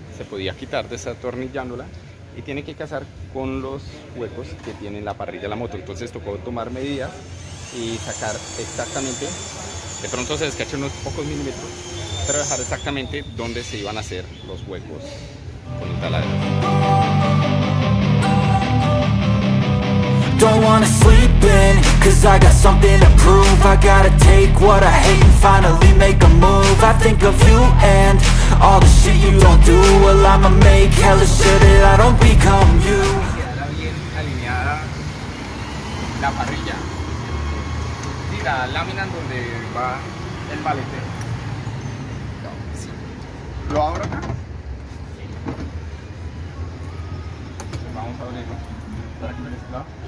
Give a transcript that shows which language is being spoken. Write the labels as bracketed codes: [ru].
[es] Se podía quitar desatornillándola y tiene que casar con los huecos que tiene la parrilla de la moto. Entonces tocó tomar medidas y sacar exactamente, de pronto se descacha unos pocos milímetros, pero dejar exactamente donde se iban a hacer los huecos con el taladro. [en] Don't wanna sleep in, cause I got something to prove. I gotta take what I hate and finally make a move. I think of you and all the shit you don't do. Well, I'ma make hella sure that I don't become you. [es] Quedará bien alineada la parrilla y la lámina donde va el palete. No, sí. ¿Lo abro acá? Sí. Vamos a abrirlo para que no les pueda.